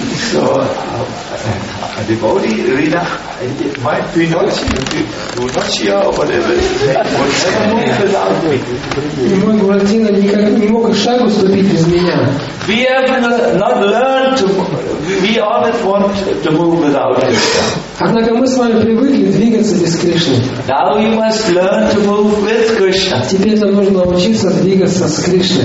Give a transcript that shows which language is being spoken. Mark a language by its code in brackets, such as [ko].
[en] So, a devotee, Rina, my Pinocchio, or whatever, would never move without me. [ru] Мой Буратино никак не мог шагу ступить без меня. [en] We have not learned to, we always want to move without him. [ru] Однако мы с вами привыкли двигаться без Кришны. [en] Now you must learn to move with Krishna. [ru] Теперь нам нужно научиться двигаться с Кришной.